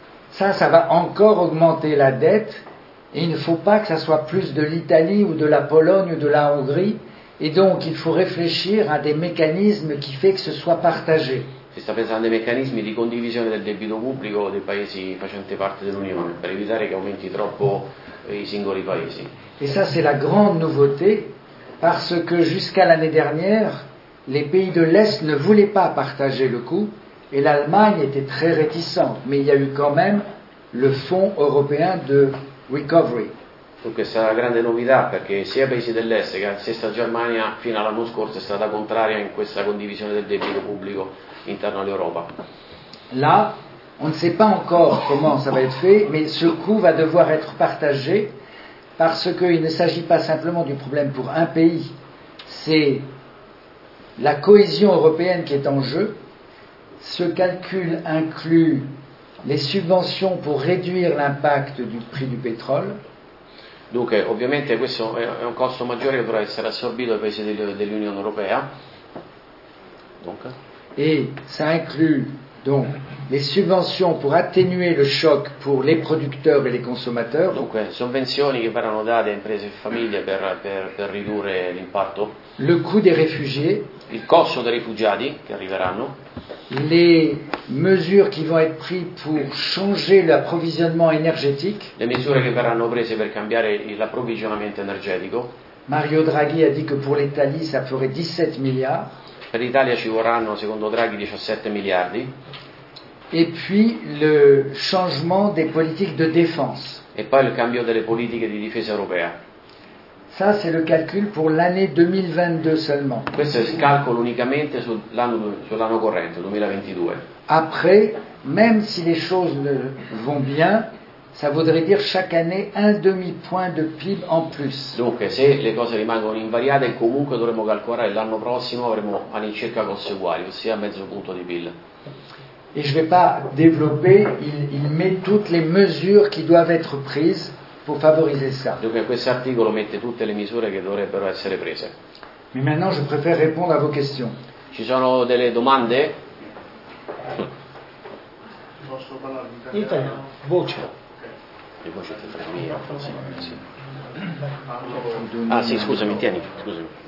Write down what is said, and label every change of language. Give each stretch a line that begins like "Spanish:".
French: Ça va encore augmenter la dette. Et il ne faut pas que ça soit plus de l'Italie ou de la Pologne ou de la Hongrie, et donc il faut réfléchir à des mécanismes qui fait que ce soit partagé.
Italian: Si sta pensando ai meccanismi di condivisione del debito pubblico dei paesi facenti parte dell'Unione per evitare che aumenti troppo i singoli paesi.
French: Et ça c'est la grande nouveauté, parce que jusqu'à l'année dernière, les pays de l'Est ne voulaient pas partager le coût, Et l'Allemagne était très réticente, mais il y a eu quand même le fonds européen de recovery. Donc c'est la grande
Italian: novità, perché sia i paesi dell'est che la stessa Germania fino all'anno scorso è stata contraria in questa condivisione del debito pubblico interno all'Europa.
French: Là, on ne sait pas encore comment ça va être fait, mais ce coût va devoir être partagé, parce qu'il ne s'agit pas simplement du problème pour un pays, c'est la cohésion européenne qui est en jeu. Ce calcul inclut les subventions pour réduire l'impact du prix du pétrole.
Italian: Donc, ovviamente, questo è un costo maggiore che dovrà essere assorbito dai paesi dell'Unione Europea. Donc.
French: Et ça inclut donc les subventions pour atténuer le choc pour les producteurs et les consommateurs.
Italian: Donc,
French: subventions qui
Italian: verranno date a imprese e famiglie per ridurre l'impatto.
French: Le coût des réfugiés.
Italian: Il costo dei rifugiati che arriveranno.
French: Les mesures qui vont être prises pour changer l'approvisionnement énergétique.
Italian: Le misure che verranno prese per cambiare l'approvvigionamento energetico.
French: Mario Draghi a dit que pour l'Italie ça ferait 17 milliards.
Italian: Per l'Italia ci vorranno, secondo Draghi, 17 miliardi.
French: Et puis le changement des politiques de défense.
Italian: E poi il cambio delle politiche di difesa europea.
French: Ça c'est le calcul pour l'année 2022 seulement.
Italian: Questo è il calcolo unicamente sull'anno corrente, 2022.
French: Après, même si les choses vont bien, ça voudrait dire chaque année un demi point de PIB en plus.
Italian: Donc, se le cose rimangono invariate, comunque dovremo calcolare l'anno prossimo avremo all'incirca cose uguali, ossia mezzo punto di PIL.
French: Et je ne vais pas développer, il met toutes les mesures qui doivent être prises pour favoriser ça.
Italian: Donc, questo articolo mette tutte le misure che dovrebbero essere prese.
French: Mais maintenant, je préfère répondre à vos questions.
Italian: Ci sono delle domande? Posso parlare in italiano? Voce. Le voci te fra mia. Ah sì, scusami, tieni, scusami.